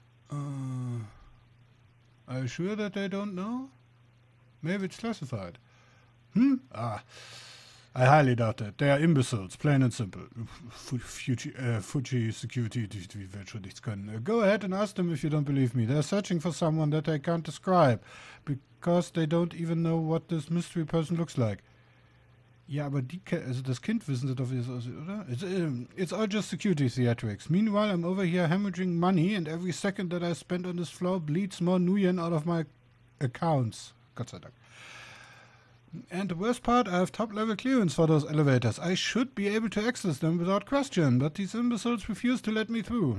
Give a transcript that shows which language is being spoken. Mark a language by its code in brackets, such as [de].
[en] Are you sure that they don't know? Maybe it's classified. Hm? Ah. I highly doubt that. They are imbeciles, plain and simple. Fuji Security, [de] die werden schon nichts können. [en] Go ahead and ask them if you don't believe me. They are searching for someone that they can't describe. Because they don't even know what this mystery person looks like. [de] Ja, aber das Kind wissen sie doch, oder? [en] It's all just security theatrics. Meanwhile, I'm over here hemorrhaging money and every second that I spend on this floor bleeds more Nuyen out of my accounts. [de] Gott sei Dank. [en] And the worst part, I have top-level clearance for those elevators. I should be able to access them without question, but these imbeciles refuse to let me through.